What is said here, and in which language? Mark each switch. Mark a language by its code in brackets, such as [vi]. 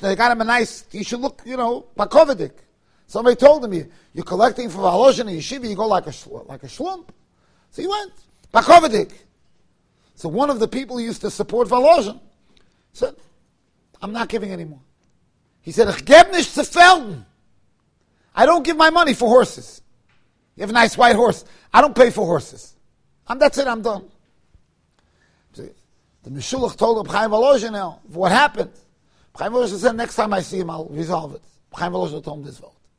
[en] They got him a nice, he should look, you know, Pakovedik. Somebody told him, you're collecting for Volozhin and Yeshiva, you go like a schlump. So he went, Pakovedik. So one of the people who used to support Volozhin said, I'm not giving anymore. [yi] He said, Ich geb nicht zu Pferden. [en] I don't give my money for horses. You have a nice white horse. I don't pay for horses. That's it, I'm done. So the Meshulach told him, Chaim Volozhin now, what happened? Chaim Volozhin said, next time I see him, I'll resolve it. Chaim Volozhin told him this vote.